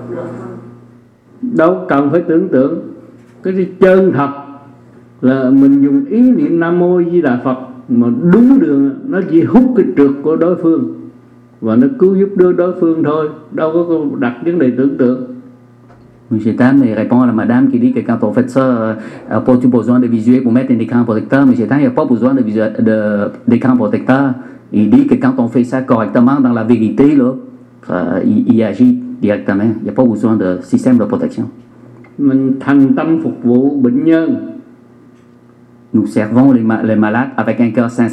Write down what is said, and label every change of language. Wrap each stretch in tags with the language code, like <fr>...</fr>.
<vi>Để không hút trượt được không? Đâu cần phải tưởng tượng. Cái chân thật là mình dùng ý niệm Nam Mô Di Đà Phật mà đúng đường nó chỉ hút cái trượt của đối phương và nó cứu giúp đối phương thôi. Đâu có đặt vấn đề tưởng tượng.</vi> <fr>Monsieur Tam il répond à la madame qui dit que quand on fait ça, as-tu besoin de visuel pour mettre un écran protecteur? Monsieur Tam, il n'y a pas besoin d'écran protecteur. Il dit que quand on fait ça correctement dans la vérité là, il agit directement, il n'y a pas besoin de système de protection.</fr> <vi>Mình thành tâm phục vụ bệnh nhân.</vi> <fr>Nous servons les malades avec un cœur sincère.</fr>